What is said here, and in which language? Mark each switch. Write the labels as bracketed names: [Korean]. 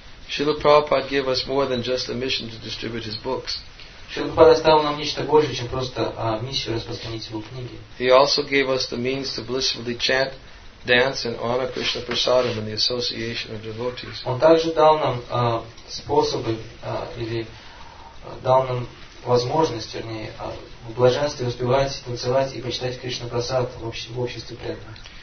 [English] Srila Prabhupada gave us more than just a mission to distribute his books. [Russian] Шрила Прабхупада оставил нам нечто большее, чем просто миссию распространить его книги. [English] He also gave us the means to blissfully chant, dance, and honor Krishna Prasadam in the association of devotees. [Russian] Он также дал нам способы или дал нам возможность, вернее, в блаженстве успевать танцевать и почитать Кришна Прасад в обществе преданных.